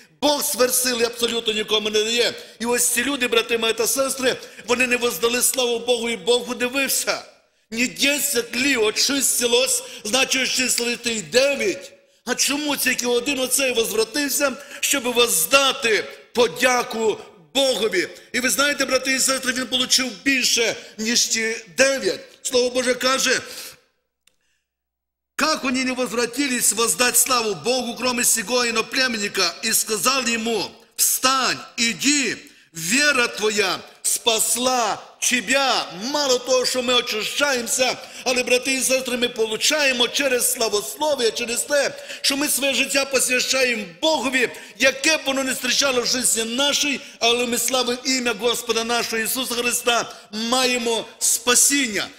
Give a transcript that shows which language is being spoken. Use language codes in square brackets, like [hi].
[uk] Бог сверсили абсолютно нікому не дає. І ось ці люди, брати мої та сестри, вони не воздали славу Богу, і Бог удивився. Ні 10 лі очистилось, значить очистити й 9. А чому тільки один оцей возвратився, щоб воздати подяку Богові? І ви знаєте, брати і сестри, він отримав більше, ніж ті 9. Слово Боже каже, [ru] «Как они не возвратились воздать славу Богу, кроме сего иноплеменника, и сказал ему, встань, иди, вера твоя спасла тебе. [uk] Мало того, що ми очищаємося, але, брати і сестри, ми получаємо через славослов'я, через те, що ми своє життя посвящаємо Богові, яке б воно не зустрічало в житті нашій, але ми славимо ім'я Господа нашого Ісуса Христа, маємо спасіння.